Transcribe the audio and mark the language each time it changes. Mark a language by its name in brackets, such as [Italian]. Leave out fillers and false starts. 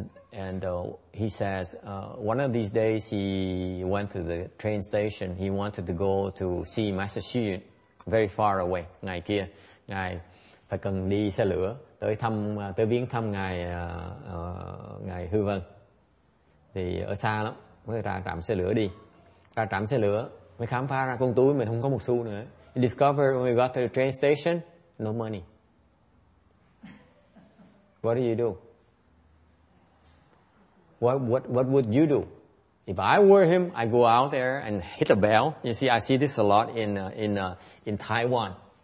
[English] And he says, one of these days he went to the train station. He wanted to go to see Master Xu Yun very far away. [Vietnamese] Ngày kia, ngài phải cần đi xe lửa tới thăm, tới viếng thăm ngài, ngài Hư Vân. Thì ở xa lắm, mới ra trạm xe lửa đi. Ra trạm xe lửa, mới khám phá ra con túi mình không có một xu nữa. [English] He discovered when we got to the train station, no money. What do you do? What would you do? If I were him, I go out there and hit a bell. You see, I see this a lot in Taiwan.